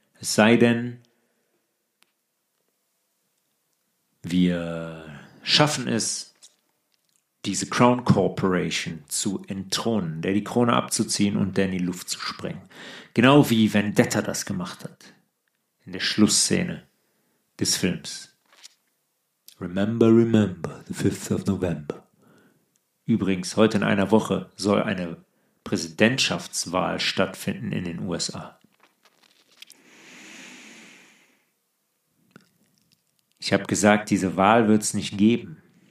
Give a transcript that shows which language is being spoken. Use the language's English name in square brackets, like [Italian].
[German] Es sei denn, wir schaffen es, diese Crown Corporation zu entthronen, der die Krone abzuziehen und der in die Luft zu sprengen. Genau wie Vendetta das gemacht hat. In der Schlussszene des Films. [English] Remember, remember, the 5th of November. [German] Übrigens, heute in einer Woche soll eine Präsidentschaftswahl stattfinden in den USA. Ich habe gesagt, diese Wahl wird es nicht geben.